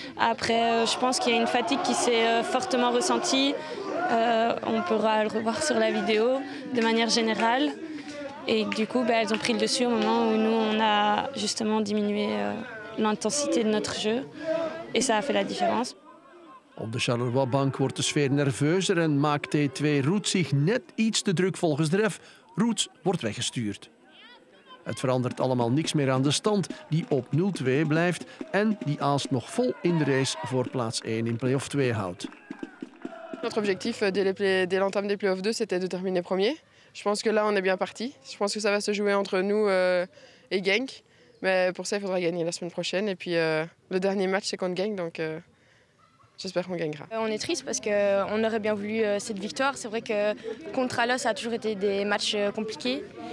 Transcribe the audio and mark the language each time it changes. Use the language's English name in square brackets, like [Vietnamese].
[French] Après, je pense qu'il y a une fatigue qui s'est fortement ressentie. On pourra le revoir sur la vidéo de manière générale. Et du coup, elles ont pris le dessus au moment où nous, on a justement diminué l'intensité de notre jeu. Et ça a fait la différence. [Dutch] Op de Charleroi-bank wordt de sfeer nerveuzer en maakt T2 Roets zich net iets te druk volgens de ref. Roets wordt weggestuurd. Het verandert allemaal niks meer aan de stand die op 0-2 blijft en die Aalst nog vol in de race voor plaats 1 in play-off 2 houdt. [French] Notre objectif dès l'entame des play-off 2 c'était de terminer premier. Je pense que là on est bien parti. Je pense que ça va se jouer entre nous et Genk. Mais pour ça il faudra gagner la semaine prochaine et puis le dernier match c'est contre Genk donc j'espère qu'on gagnera. On est triste parce qu'on aurait bien voulu cette victoire. C'est vrai que contre Alos, ça a toujours été des matchs compliqués.